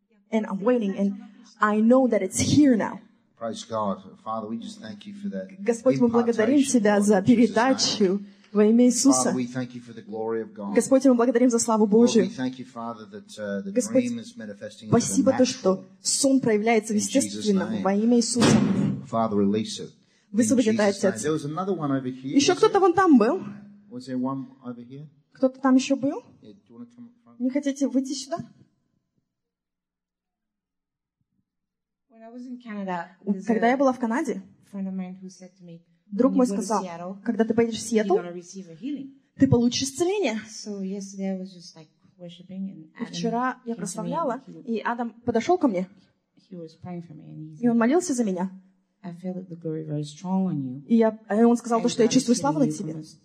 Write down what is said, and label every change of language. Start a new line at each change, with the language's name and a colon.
English: And I'm waiting, and I know that it's here now. Praise God. Father, we just thank you for that.
Russian: Господь, мы благодарим тебя за передачу во имя Иисуса.
English: Father, we thank you for the glory of God.
Russian: Господь, мы благодарим за славу Божию.
English: Lord, we thank you, Father, that the
Russian: Господь,
English: dream is manifesting into the natural.
Russian: Спасибо, что сон проявляется в естественном во имя Иисуса.
English: Father, release it.
Russian: Высвободи это, Отец.
English: There was another one over here.
Russian: Еще кто-то вон там был?
English: Was there one over here?
Russian: Кто-то там еще был?
English: Yeah, do you want to come up front?
Russian: Не хотите выйти сюда?
English: When I was in Canada,
Russian: когда я была в Канаде,
English: friend of mine who said to me,
Russian: друг мой сказал, когда ты поедешь в Сиэтл, ты получишь исцеление.
English: So yesterday I was just like worshiping and Adam,
Russian: и вчера я прославляла, и Адам подошел ко мне.
English: He was praying for me and he's...
Russian: И он молился за меня.
English: I feel that the glory very strong on you.
Russian: И он сказал, то, что я чувствую славу на тебе.